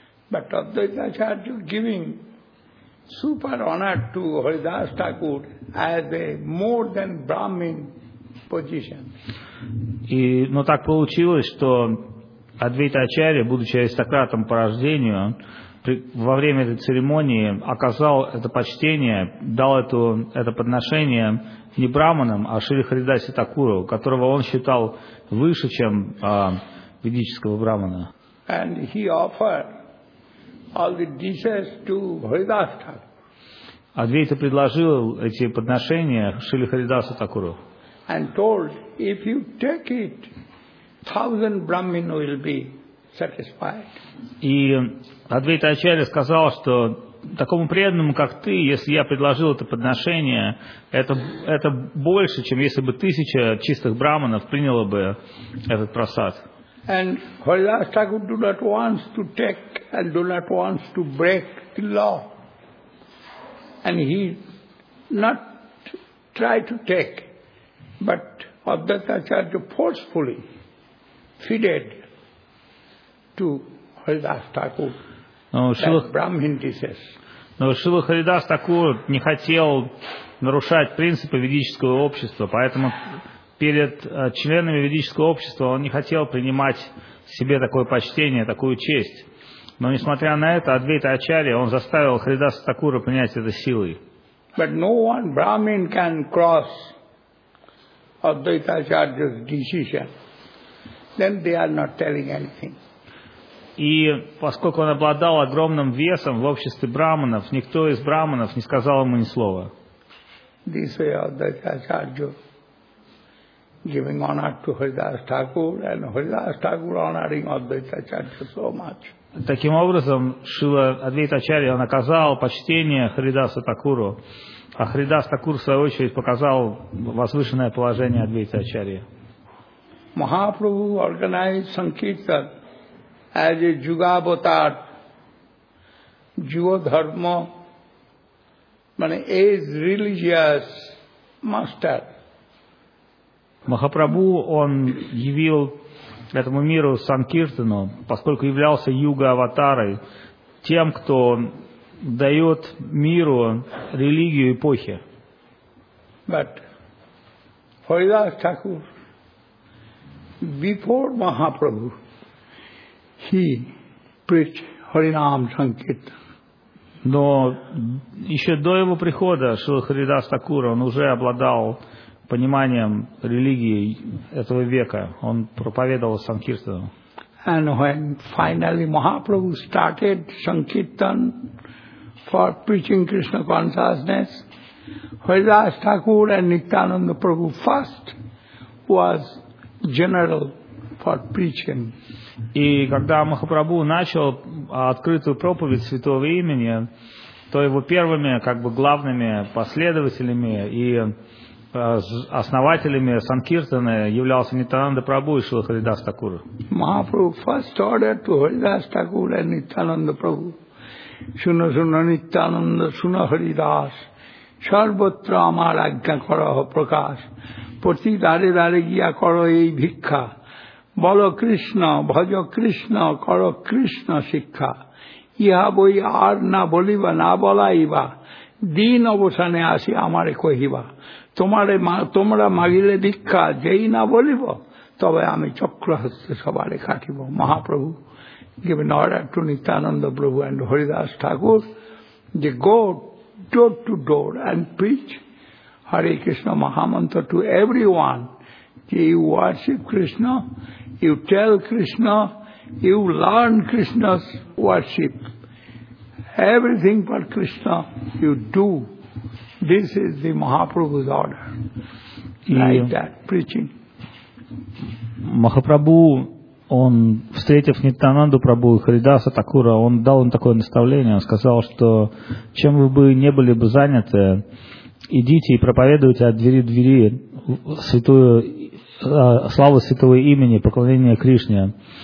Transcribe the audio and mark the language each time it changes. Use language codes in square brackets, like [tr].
[en] But Advaita Acharya giving super honor to Haridas Thakur as a more than Brahmin position. [ru] Но так получилось, что Адвайта Ачарья, будучи аристократом по рождению, во время этой церемонии оказал это почтение, дал это подношение не Брахманам, а Шри Харидасе Такуру, которого он считал выше, чем ведического Брахмана. [en] And he offered all the dishes to Haridas Thakur. [ru] Адвейта предложил эти подношения Шриле Харидасу Такуру. [en] And told, if you take it, 1000 Brahmin will be satisfied. [ru] И Адвейта Ачарья сказал, что такому преданному, как ты, если я предложил это подношение, это больше, чем если бы 1000 чистых брахманов приняло бы этот просад. [en] And Харидас Такур do not want to take and do not want to break the law. And he not try to take, but Advaita Acharya forcefully feeded to Haridas Thakur that Brahmin dishes. [ru] Но Шрила Харидас Такур не хотел нарушать принципы ведического общества, поэтому перед членами ведического общества он не хотел принимать себе такое почтение, такую честь. Но несмотря на это, Адвейта Ачарья, он заставил Харидаса Такура принять это силой. [en] But no one Brahmin can cross Advaita Acharya's decision. Then they are not telling anything. [ru] И поскольку он обладал огромным весом в обществе брахманов, никто из брахманов не сказал ему ни слова. [en] This way Advaita Acharya giving honor to Haridas Thakur and Haridas Thakur honoring Advaita Acharya so much. [ru] Таким образом, Шрила Адвейта Ачарья оказал почтение Харидасу Такуру, а Харидас Такур, в свою очередь, показал возвышенное положение Адвейта Ачарьи. [en] Махапрабху organized Sankirtan as a Jugavatar, Jugadharma, as religious master. [ru] Махапрабху, он явил этому миру Санкиртану, поскольку являлся юга-аватарой, тем, кто дает миру религию эпохи. [en] But Haridas Thakur, before Mahaprabhu, he preached Harinam Sankirtan. [ru] Но еще до его прихода Шрила Харидас Такур, он уже обладал пониманием религии этого века. Он проповедовал Санкиртану. [en] And when finally Mahaprabhu started Sankirtan for preaching Krishna consciousness, Haridas Thakur and Nityananda Prabhu first was general for preaching. [ru] И когда Махапрабху начал открытую проповедь святого имени, то его первыми как бы главными последователями и основателями Санкиртаны являлся Нитянанда Прабху и Шрила Харидас Такур. [en] Махапрабху first ordered to Haridas Thakur and Nityananda Prabhu. [bn] Suna suna Nityananda, suna Haridas. Sarvatra amar ajna karaha prakash. Prati dare dare giya karo ei bhikkha. Bolo Krishna, bhajo Krishna, karo Krishna shikha. Iha boi ar na boliva na bolaiva. Din obosane asi amare kohiva. তোমারে তোমরা মাগিলে দীক্ষা যেই না বলিব তবে আমি চক্রহস্তে সবারে কাটিব [en] Mahaprabhu give an order to Nityananda Prabhu and Haridas Thakur যে go door to door and preach Hare Krishna Mahamantra to everyone যে you worship Krishna you tell Krishna you learn Krishna's worship everything for Krishna you do. This is the Mahaprabhu's order, like that, preaching. [ru] Махапрабху, он, встретив Нитянанду Прабху и Харидаса Такура, он дал им такое наставление, он сказал, что чем вы бы не были бы заняты, идите и проповедуйте от двери к двери святую, славу святого имени, поклонение Кришне.